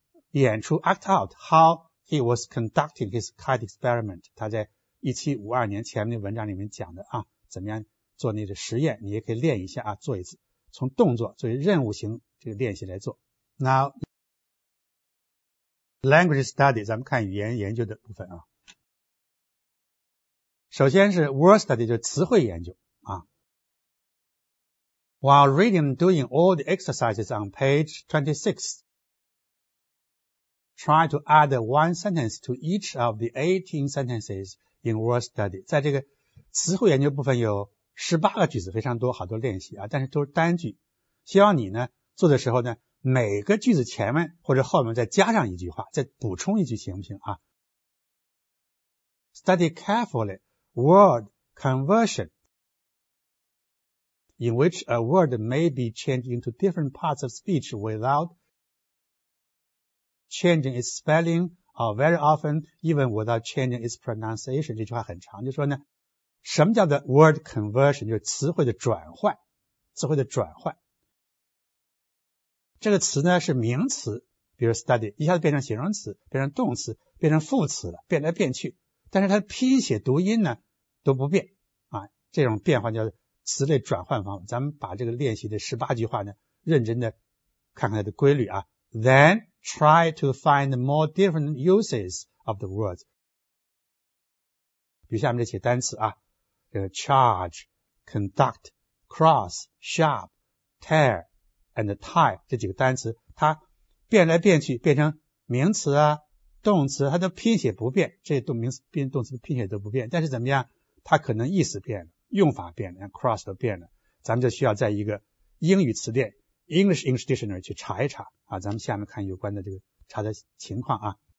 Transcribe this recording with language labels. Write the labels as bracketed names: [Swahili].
[Chinese] 演出 [English] act out how he was conducting his kite experiment, [Chinese] 他在1752年前面的文章里面讲的啊，怎么样做那个实验，你也可以练一下啊，做一次从动作作为任务型这个练习来做。 [English] Now,Language study, [Chinese] 咱们看语言研究的部分啊。首先是 word study, 就是词汇研究啊。 [English] While reading and doing all the exercises on page 26, try to add one sentence to each of the 18 sentences in word study. [Chinese] 在这个词汇研究部分有18个句子，非常多，好多练习啊，但是都是单句。希望你呢，做的时候呢每个句子前面或者后面再加上一句话，再补充一句行不行啊。 [English] Study carefully word conversion in which a word may be changed into different parts of speech without changing its spelling or very often even without changing its pronunciation. [Chinese] 这句话很长，就说呢什么叫做 word conversion, 就是词汇的转换，词汇的转换，这个词呢是名词，比如 study, 一下子变成形容词，变成动词，变成副词了，变来变去。但是它的拼写读音呢都不变。啊，这种变化叫词类转换方法。咱们把这个练习的18句话呢认真的看看它的规律啊。 [English] Then, try to find more different uses of the words. [Chinese] 比如下面这些单词啊，这个 charge, conduct, cross, sharp, tear,and tie, 这几个单词它变来变去变成名词啊动词，它的拼写不变，这些动名词变动词的拼写都不变，但是怎么样它可能意思变了，用法变了， cross 都变了，咱们就需要在一个英语词典 English English Dictionary 去查一查啊，咱们下面看有关的这个查的情况啊。